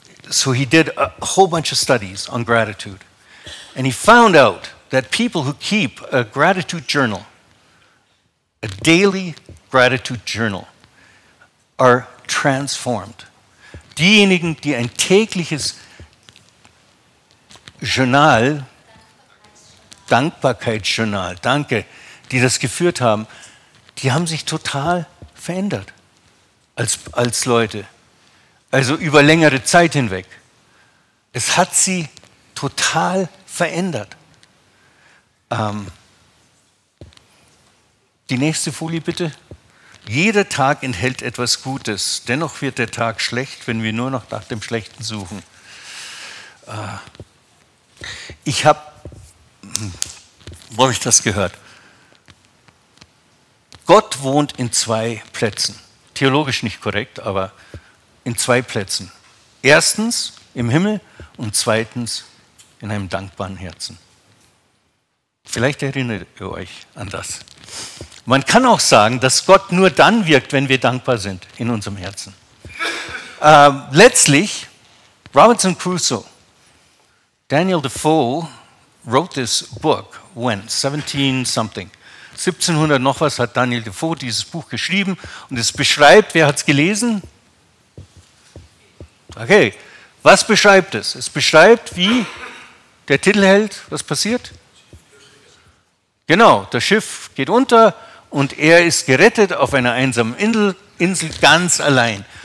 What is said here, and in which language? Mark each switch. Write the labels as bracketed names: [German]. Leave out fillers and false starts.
[English] So he did a whole bunch of studies on gratitude. And he found out that people who keep a gratitude journal, a daily gratitude journal, are transformed. [German] Diejenigen, die ein tägliches Journal, Dankbarkeitsjournal, danke, die das geführt haben, die haben sich total verändert als Leute. Also über längere Zeit hinweg. Es hat sie total verändert. Die nächste Folie bitte. Jeder Tag enthält etwas Gutes. Dennoch wird der Tag schlecht, wenn wir nur noch nach dem Schlechten suchen. Wo habe ich das gehört? Gott wohnt in zwei Plätzen. Theologisch nicht korrekt, aber in zwei Plätzen. Erstens im Himmel und zweitens in einem dankbaren Herzen. Vielleicht erinnert ihr euch an das. Man kann auch sagen, dass Gott nur dann wirkt, wenn wir dankbar sind in unserem Herzen. [English] Letztlich, Robinson Crusoe, Daniel Defoe wrote this book when? 17 something. [German] 1700 noch was hat Daniel Defoe dieses Buch geschrieben und es beschreibt, wer hat es gelesen? Okay, was beschreibt es? Es beschreibt, wie der Titelheld, was passiert? Genau, das Schiff geht unter und er ist gerettet auf einer einsamen Insel ganz allein.